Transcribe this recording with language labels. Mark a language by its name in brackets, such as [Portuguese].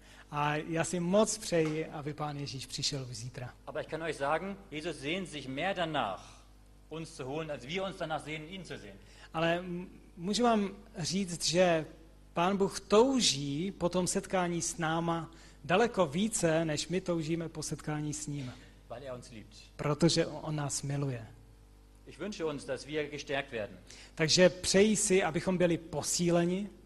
[Czech] A já si moc přeji, aby Pán Ježíš přišel zítra. [German] Aber ich kann euch sagen, Jesus sehnt sich mehr danach, uns zu holen, als wir uns danach sehnen, ihn zu sehen. [Czech] Ale můžu vám říct, že Pán Bůh touží po tom setkání s náma daleko více, než my toužíme po setkání s ním. [German] Weil er uns liebt. [Czech] Protože on nás miluje. [German] Ich wünsche uns, dass wir gestärkt werden. [Czech] Takže přeji si, abychom byli posíleni